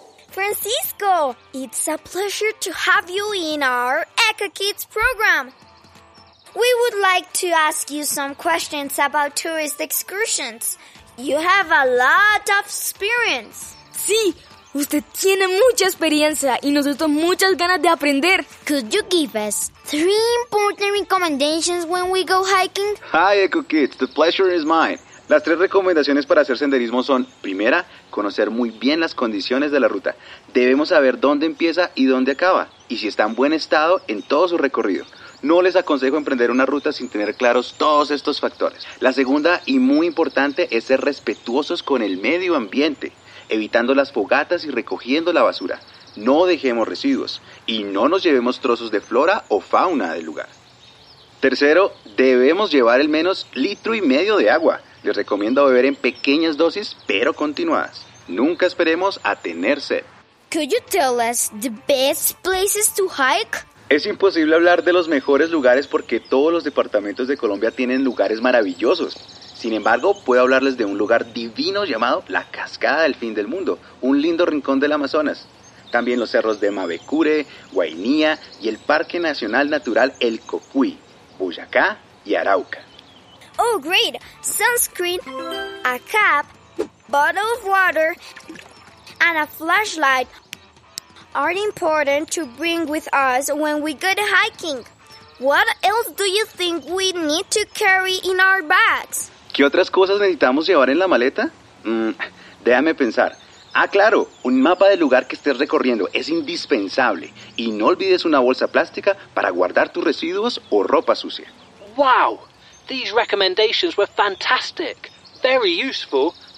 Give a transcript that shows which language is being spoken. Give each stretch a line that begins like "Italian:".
English: Francisco, it's a pleasure to have you in our Echo Kids program. We would like to ask you some questions about tourist excursions. You have a lot of experience.
Spanish: Sí, usted tiene mucha experiencia y nosotros muchas ganas de aprender.
English: Could you give us 3 important recommendations when we go hiking? Hi, Echo Kids, the pleasure is mine.
Spanish: Las 3 recomendaciones para hacer senderismo son: primera, conocer muy bien las condiciones de la ruta. Debemos saber dónde empieza y dónde acaba, y si está en buen estado en todo su recorrido. No les aconsejo emprender una ruta sin tener claros todos estos factores. La segunda y muy importante es ser respetuosos con el medio ambiente, evitando las fogatas y recogiendo la basura. No dejemos residuos y no nos llevemos trozos de flora o fauna del lugar. Tercero, debemos llevar al menos 1.5 litros de agua. Les recomiendo beber en pequeñas dosis, pero continuadas. Nunca esperemos a tener sed.
English: Could you tell us the best places to hike?
Spanish: Es imposible hablar de los mejores lugares porque todos los departamentos de Colombia tienen lugares maravillosos. Sin embargo, puedo hablarles de un lugar divino llamado la Cascada del Fin del Mundo, un lindo rincón del Amazonas. También los cerros de Mavecure, Guainía y el Parque Nacional Natural El Cocuy, Boyacá y Arauca.
English: Oh, great! Sunscreen, a cap, bottle of water, and a flashlight are important to bring with us when we go hiking. What else do you think we need to carry in our bags?
Spanish: ¿Qué otras cosas necesitamos llevar en la maleta? Déjame pensar. Ah, claro, un mapa del lugar que estés recorriendo es indispensable. Y no olvides una bolsa plástica para guardar tus residuos o ropa sucia.
English: ¡Wow! These recommendations were fantastic, very useful.